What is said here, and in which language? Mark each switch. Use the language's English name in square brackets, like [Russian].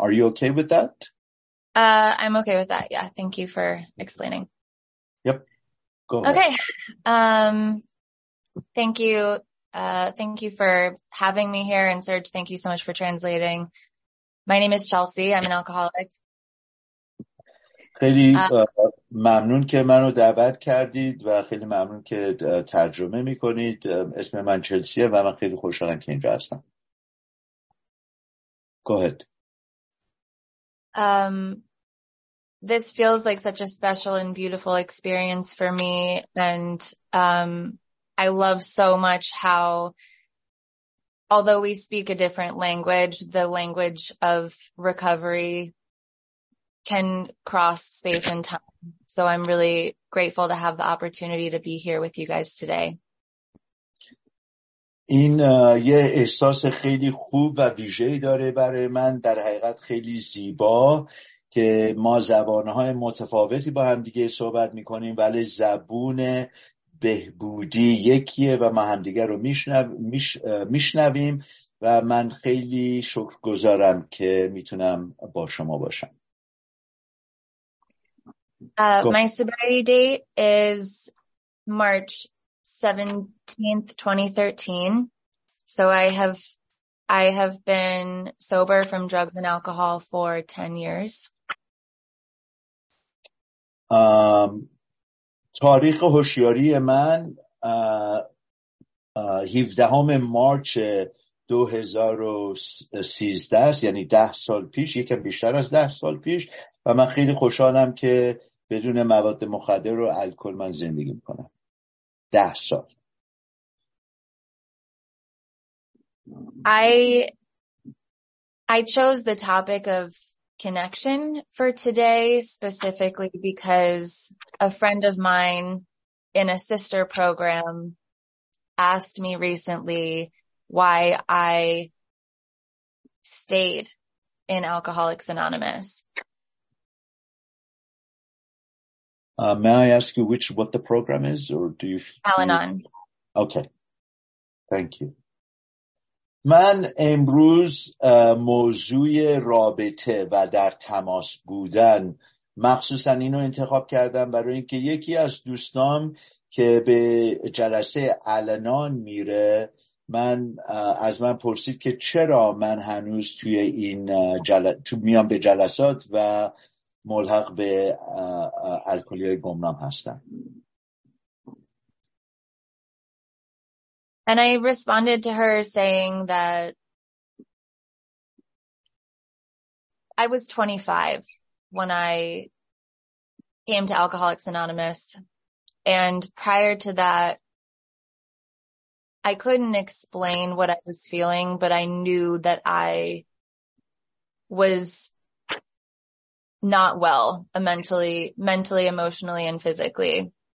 [English] Are you okay with that? I'm okay with that. Yeah. Thank you for explaining. Yep. Go ahead. Okay. Thank you. Thank you for having me here. And Serge, thank you so much for translating. My name is Chelsea. I'm an alcoholic. [Persian] خیلی ممنون که منو دعوت کردید و خیلی ممنون که ترجمه میکنید. اسم من چلسیه و من خیلی خوشحالم که اینجا هستم. [English] Go ahead. This feels like such a special and beautiful experience for me, and I love so much how, although we speak a different language, the language of recovery can cross space and time. So I'm really grateful to have the opportunity to be here with you guys today. [Persian] این یه احساس خیلی خوب و ویژه‌ای داره برای من، در حقیقت خیلی زیبا که ما زبان‌های متفاوتی با هم دیگه صحبت می‌کنیم، ولی زبون بهبودی یکیه و ما همدیگه رو میشنویم و من خیلی شکرگزارم که میتونم با شما باشم. [English] My sobriety date is March 17th, 2013. So I have been sober from drugs and alcohol for 10 years. [Persian] تاریخ هوشیاری من 17 مارچ 2013 است، یعنی 10 سال پیش، یکم بیشتر از 10 سال پیش، و من خیلی خوشحالم که بدون مواد مخدر و الکل من زندگی میکنم. 10 سال. [English] I chose the topic of connection for today specifically because a friend of mine in a sister program asked me recently why I stayed in Alcoholics Anonymous. May I ask you what the program is, or do you? Al-Anon. Okay. Thank you. [Persian] من امروز موضوع رابطه و در تماس بودن مخصوصا اینو انتخاب کردم برای اینکه یکی از دوستام که به جلسه الانان میره از من پرسید که چرا من هنوز توی این تو میام به جلسات و ملحق به الکلی‌های گمنام هستم. [English] And I responded to her saying that I was 25 when I came to Alcoholics Anonymous. And prior to that, I couldn't explain what I was feeling, but I knew that I was not well mentally, emotionally, and physically.